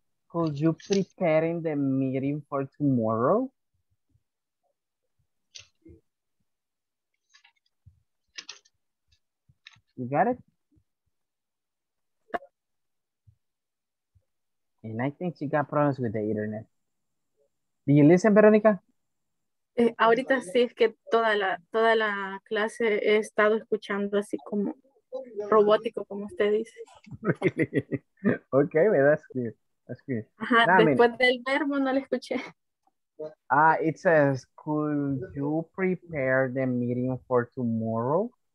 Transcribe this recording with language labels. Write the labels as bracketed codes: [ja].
[en] Could you prepare in the meeting for tomorrow? You got it? And I think she got problems with the internet. Do you listen, Veronica? [es] Ahorita sí, es que toda la clase he estado escuchando así como robótico, como usted dice. [en] Really? Okay, well, that's good. That's good. [es] Ajá, nah, después del verbo no le escuché. [en] Ah, it says, could you prepare the meeting for tomorrow?